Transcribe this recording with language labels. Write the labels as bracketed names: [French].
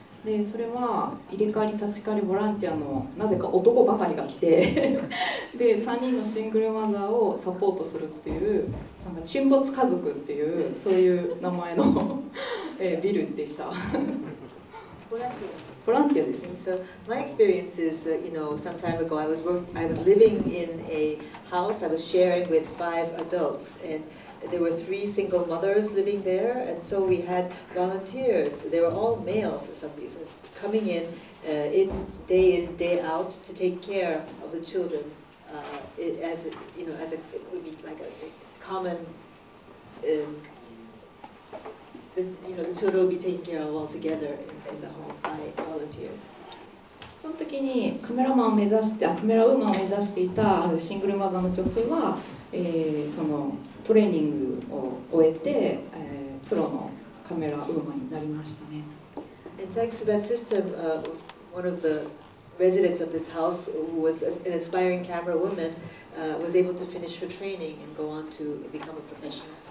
[Japanese] でそれは入れ替わり立ち替わりボランティアのなぜか男ばかりが来てで3人のシングルマザーをサポートするっていう、なんか沈没家族っていうそういう名前の、ビルでした。ボランティアです。 [English] So my experience is, you know, some time ago I was living in a house I was sharing with 5 adults andThere were 3 single mothers living there, and so we had volunteers. They were all male for some reason, coming in, day in, day out to take care of the children, it would be like a common, the children would be taken care of all together in the home by volunteers. [Japanese] その時にカメラウーマンを目指していたシングルマザーの女性は、そのトレーニングを終えて、プロのカメラウーマンになりましたね。 [English] Thanks to that system, one of the residents of this house, who was an aspiring camera woman, was able to finish her training and go on to become a professional.